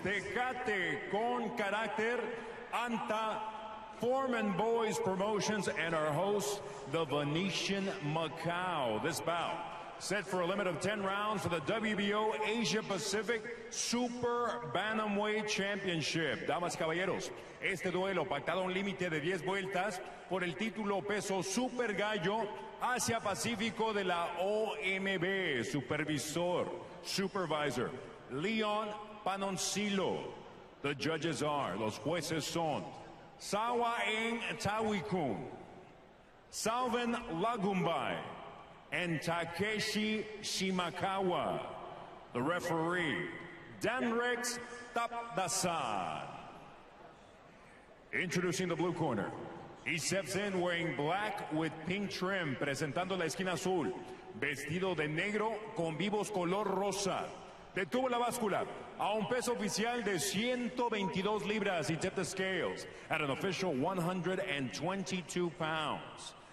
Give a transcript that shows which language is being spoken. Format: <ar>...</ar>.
<en>Tecate con Carácter, Anta, Foreman Boys Promotions, and our host, the Venetian Macau. This bout set for a limit of 10 rounds for the WBO Asia Pacific Super Bantamweight Championship.</en> <es>Damas caballeros, este duelo pactado a un límite de 10 vueltas por el título peso Super Gallo Asia Pacífico de la OMB.</es> <en>Supervisor, supervisor, Leon Panoncillo. The judges are,</en> <es>los jueces son,</es> <en>Sawa Eng Tawikun, Salvin Lagumbay, and Takeshi Shimakawa. The referee, Danrex Tapdasan. Introducing the blue corner. He steps in wearing black with pink trim,</en> <es>presentando la esquina azul, vestido de negro con vivos color rosa. Detuvo la báscula a un peso oficial de 122 libras.</es> <en>He tipped the scales at an official 122 pounds.</en>